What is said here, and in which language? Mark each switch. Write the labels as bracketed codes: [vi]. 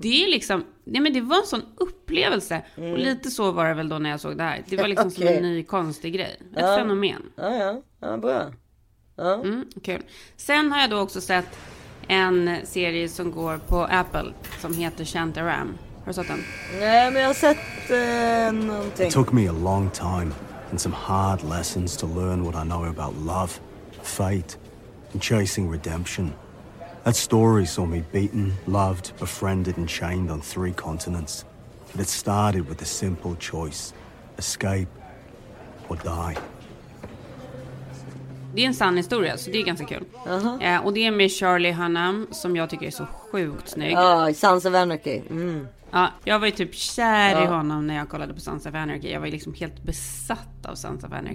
[sv] Det är liksom, nej men det var en sån upplevelse. Mm. Och lite så var det väl då när jag såg det här. Det var liksom okay. Som en ny konstig grej. Ett fenomen. Ja, bra. Ja. Kul. Sen har jag då också sett en serie som går på Apple som heter Shantaram. Har du sett den? Nej, men jag har sett någonting. [en] It took me a long time and some hard lessons to learn what I know about love, fate and chasing redemption. That story saw me beaten, loved, befriended and chained on 3 continents. But it started with a simple choice. Escape or die. [sv] Det är en sann historia, så det är ganska kul. Uh-huh. Ja, och det är med Charlie Hunnam, som jag tycker är så sjukt snygg. Ja, Sons of Anarchy. Ja, jag var ju typ kär i honom när jag kollade på Sons of Anarchy. Jag var ju liksom helt besatt av Sons of Anarchy.